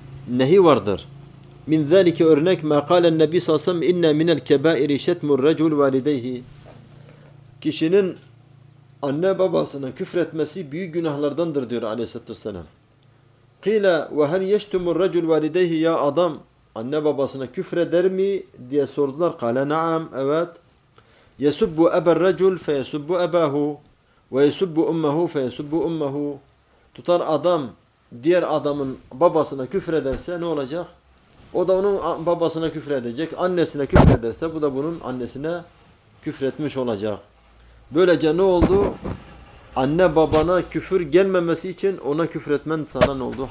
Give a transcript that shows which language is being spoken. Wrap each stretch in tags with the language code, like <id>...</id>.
<tr>Nehi vardır.</tr> <ar>مِنْ ذَلِكَ اُرْنَكْ مَا قَالَ النَّبِي صَلَّى اِنَّ مِنَ الْكَبَائِرِ شَتْمُ الرَّجُلُ وَالِدَيْهِ.</ar> <tr>Kişinin anne babasına küfretmesi büyük günahlardandır diyor aleyhissalatü vesselam.</tr> <ar>قِيلَ وَهَلْ يَشْتُمُ الرَّجُلُ وَالِدَيْهِ.</ar> <tr>Ya adam anne babasına küfreder mi diye sordular.</tr> <ar>قَالَ نَعَمْ.</ar> <tr>Evet.</tr> <ar>يَسُبُّ أَبَ الرَّجُلُ فَيَسُبُّ أَبَاهُ وَيَسُبُّ أُمَّهُ فَيَسُبُّ أُمَّهُ.</ar> <tr>Tutar adam diğer adamın babasına küfrederse ne olacak? O da onun babasına küfredecek. Annesine küfrederse bu da bunun annesine küfretmiş olacak. Böylece ne oldu? Anne babana küfür gelmemesi için ona küfretmen sana ne oldu?</tr>